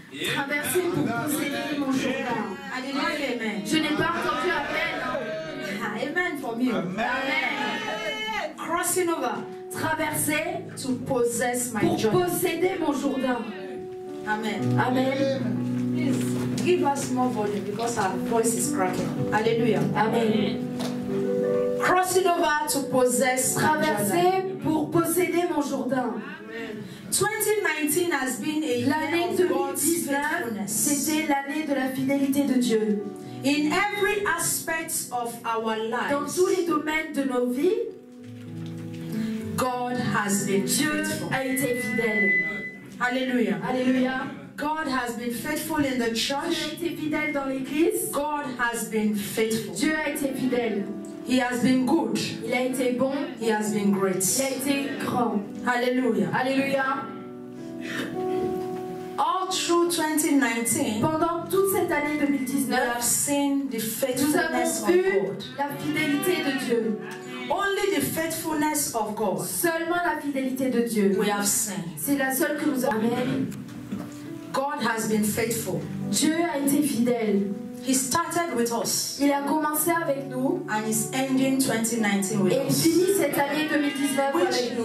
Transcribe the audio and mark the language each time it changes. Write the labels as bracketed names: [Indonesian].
[French] Traverser pour posséder mon Jordan. Alléluia. Je n'ai pas entendu appel. [English] Amen for me. Amen. Crossing over. Traverser to possess my [French] Jordan. Pour posséder mon Jordan. Amen. Amen. [English] Please give us more volume because our voice is cracking. Alléluia. Amen. Crossing over to possess. [French] Traverser pour posséder mon Jordan. [English] 2019 has been a [French] l'année 2019, c'était l'année de la fidélité de Dieu. [English] In every aspect of our lives, [French] dans tous les domaines de nos vies, [English] God has been [French] Dieu [English] faithful. [French] A été fidèle. Alléluia. Alléluia. [English] God has been faithful in the church. [French] Dieu a été fidèle dans l'église. [English] God has been faithful. [French] Dieu a été fidèle. [English] He has been good. [French] Il a été bon. [English] He has been great. [French] Il a été grand. Hallelujah. Hallelujah. [English] All through 2019, [French] pendant toute cette année 2019, [English] we have seen the faithfulness of God. [French] La fidélité de Dieu. [English] Only the faithfulness of God. [French] Seulement la fidélité de Dieu. [English] We have seen. [French] C'est la seule que nous avons. [English] God has been faithful. [French] Dieu a été fidèle. [English] He started with us. [French] Il a commencé avec nous. [English] And is ending 2019 with [French] us. Et finit cette année 2019 avec nous.